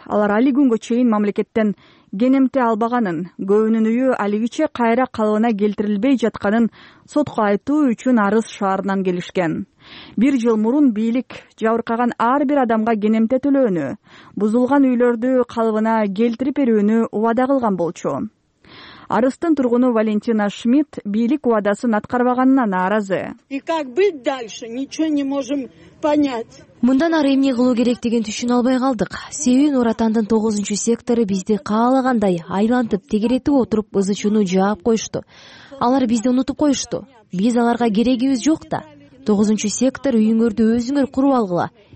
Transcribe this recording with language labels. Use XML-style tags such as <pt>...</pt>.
<ky>Алар али күнгө чейин мамлекеттен кенемте албаганын, көбүнүн үйү алигиче кайра калыбына келтирилбей жатканын сотко айтуу үчүн Арыс шаарынан келишкен. Бир жыл мурун бийлик жабыркаган ар бир адамга кенемте төлөөнү, бузулган үйлөрдү калыбына келтирип берүүнү убада кылган болчу. Арыстын тургуну Валентина Шмидт бийлик убадасын аткарбаганына нааразы.</ky> <ru>И как быть дальше, ничего не можем понять.</ru> <ky>Мындан ары эмне кылуу керек деген түшүнө албай калдык. Себеби Нуратандын 9-чу сектору бизди каалагандай айлантып, тегеретип отуруп ызычууну жаап коюшту. Алар бизди унутуп коюшту. Биз аларга керегибиз жок да. 9-чу сектор үйүңөрдү өзүңөр куруп алгыла.</ky>